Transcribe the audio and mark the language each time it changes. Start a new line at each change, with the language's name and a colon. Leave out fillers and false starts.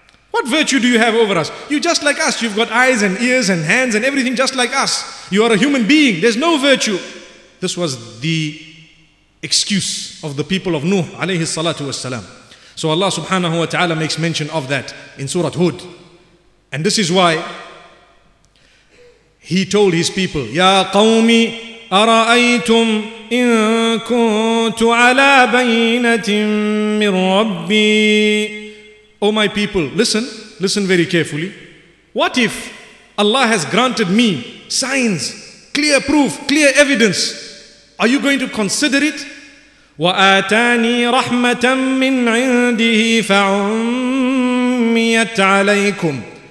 English: What virtue do you have over us? You're just like us. You've got eyes and ears and hands and everything just like us. You are a human being. There's no virtue. This was the excuse of the people of Nuh alayhi salatu wasalam. So Allah subhanahu wa ta'ala makes mention of that in Surah Hud. And this is why He told His people,
Arabic: Ya qawmi, أَرَأَيْتُمْ إِن كُنتُ عَلَى بَيْنَةٍ مِّن رَبِّي.
English: O my people, listen very carefully. What if Allah has granted me signs, clear proof, clear evidence? Are you going to consider it?
Arabic: وَآتَانِي رَحْمَةً مِّنْ عِنْدِهِ فَعُمِّيَتْ عَلَيْكُمْ.